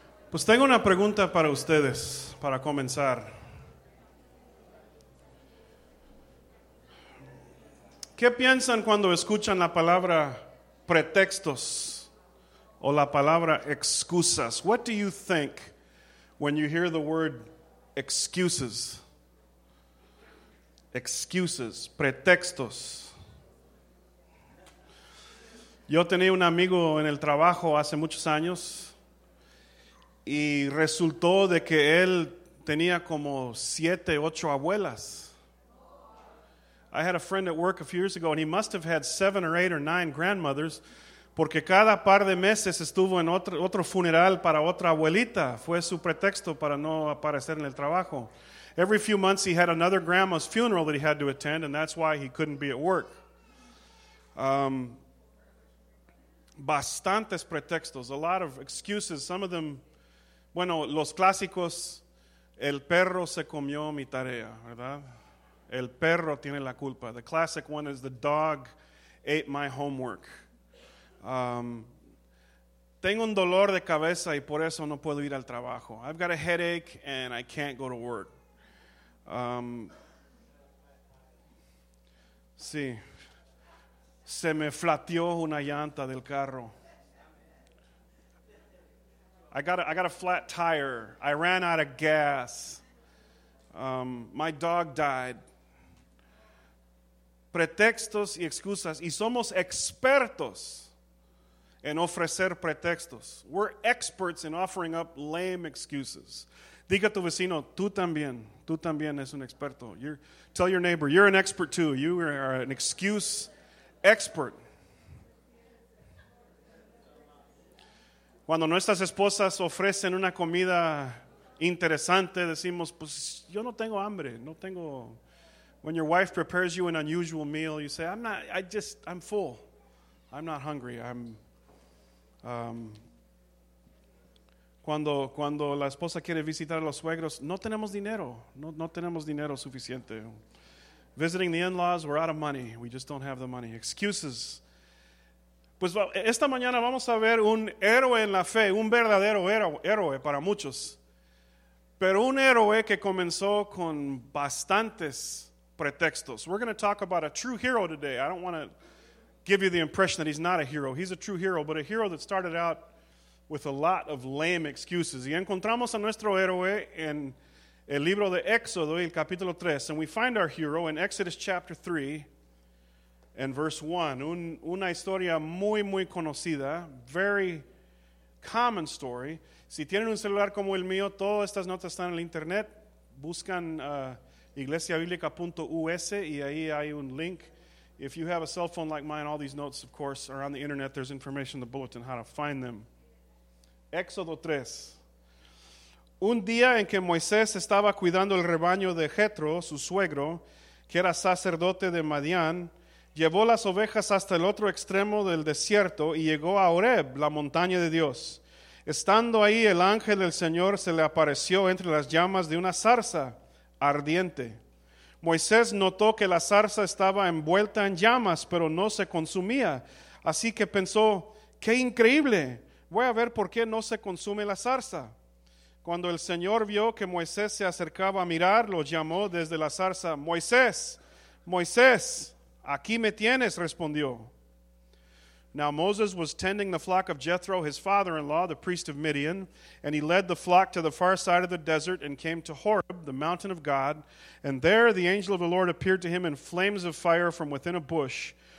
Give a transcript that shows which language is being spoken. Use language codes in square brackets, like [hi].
[es] Pues tengo una pregunta para ustedes, para comenzar. ¿Qué piensan cuando escuchan la palabra pretextos o la palabra excusas? [en] What do you think when you hear the word excuses? Excuses, pretextos. [es] Yo tenía un amigo en el trabajo hace muchos años y resultó de que él tenía como 7, 8 abuelas. [en] I had a friend at work a few years ago and he must have had 7 or 8 or 9 grandmothers [es] porque cada par de meses estuvo en otro funeral para otra abuelita. Fue su pretexto para no aparecer en el trabajo. [en] Every few months he had another grandma's funeral that he had to attend and that's why he couldn't be at work. [es] Bastantes pretextos, [en] a lot of excuses, some of them, [es] bueno, los clásicos, el perro se comió mi tarea, ¿verdad? El perro tiene la culpa. [en] The classic one is the dog ate my homework. [es] Tengo un dolor de cabeza y por eso no puedo ir al trabajo. [en] I've got a headache and I can't go to work. [es] Sí. Se me flateó una llanta del carro. [en] I got a flat tire. I ran out of gas. My dog died. [es] Pretextos y excusas. Y somos expertos en ofrecer pretextos. [en] We're experts in offering up lame excuses. [es] Diga a tu vecino, tú también es un experto. [en] Tell your neighbor, you're an expert too. You are an excuse expert. [es] Cuando nuestras esposas ofrecen una comida interesante, decimos, pues yo no tengo hambre, no tengo. [en] When your wife prepares you an unusual meal, you say, I'm full. I'm not hungry. [es] Cuando la esposa quiere visitar a los suegros, no tenemos dinero. No tenemos dinero suficiente. [en] Visiting the in-laws, we're out of money. We just don't have the money. Excuses. [es] Pues esta mañana vamos a ver un héroe en la fe, un verdadero héroe para muchos. Pero un héroe que comenzó con bastantes pretextos. [en] We're going to talk about a true hero today. I don't want to give you the impression that he's not a hero. He's a true hero, but a hero that started out with a lot of lame excuses. [es] Y encontramos a nuestro héroe en el libro de Éxodo, el capítulo 3. [en] And we find our hero in Exodus chapter 3 and verse 1. [es] Una historia muy, muy conocida. [en] Very common story. [es] Si tienen un celular como el mío, todas estas notas están en el internet. Buscan iglesiabiblica.us y ahí hay un link. [en] If you have a cell phone like mine, all these notes, of course, are on the internet. There's information in the bulletin how to find them. [es] Éxodo 3. Un día en que Moisés estaba cuidando el rebaño de Jetro, su suegro, que era sacerdote de Madián, llevó las ovejas hasta el otro extremo del desierto y llegó a Horeb, la montaña de Dios. Estando ahí, el ángel del Señor se le apareció entre las llamas de una zarza ardiente. Moisés notó que la zarza estaba envuelta en llamas, pero no se consumía. Así que pensó, ¡qué increíble! Voy a ver por qué no se consume la zarza. Cuando el Señor vio que Moisés se acercaba a mirar, lo llamó desde la zarza, ¡Moisés! ¡Moisés! ¡Aquí me tienes! Respondió. [en] Now Moses was tending the flock of Jethro, his father-in-law, the priest of Midian, and he led the flock to the far side of the desert and came to Horeb, the mountain of God, and there the angel of the Lord appeared to him in flames of fire from within a bush.